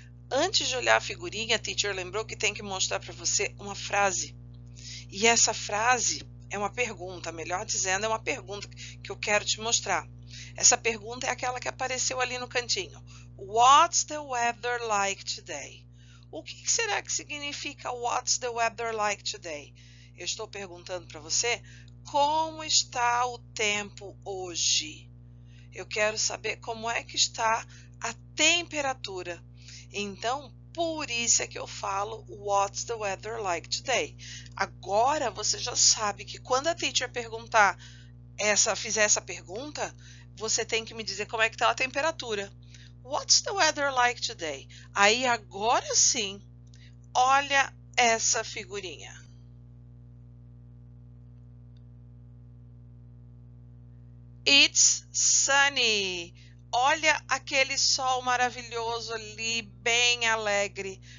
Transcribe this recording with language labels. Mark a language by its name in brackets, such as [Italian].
[Portuguese] Antes de olhar a figurinha, a teacher lembrou que tem que mostrar para você uma frase. E essa frase é uma pergunta, melhor dizendo, é uma pergunta que eu quero te mostrar. Essa pergunta é aquela que apareceu ali no cantinho. [English] What's the weather like today? [Portuguese] O que será que significa [English] What's the weather like today? [Portuguese] Eu estou perguntando para você como está o tempo hoje. Eu quero saber como é que está a temperatura. Então, por isso é que eu falo [English] What's the weather like today? [Portuguese] Agora você já sabe que quando a teacher perguntar fizer essa pergunta, você tem que me dizer como é que está a temperatura. [English] What's the weather like today? [Portuguese] Aí agora sim, olha essa figurinha. [English] It's sunny. [Portuguese] Olha aquele sol maravilhoso ali, bem alegre.